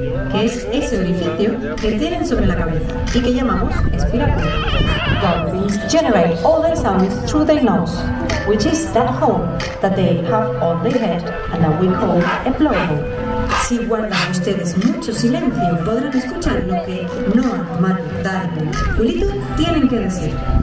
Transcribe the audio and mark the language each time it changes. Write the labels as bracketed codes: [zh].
[es] Que es ese orificio que tienen sobre la cabeza y que llamamos espiráculo. [en] Dolphins generate all their sounds through their nose, which is that hole that they have on their head and that we call a blowhole. [es] Si guardan ustedes mucho silencio, podrán escuchar lo que Noah, Matt, Darwin, Julito tienen que decir.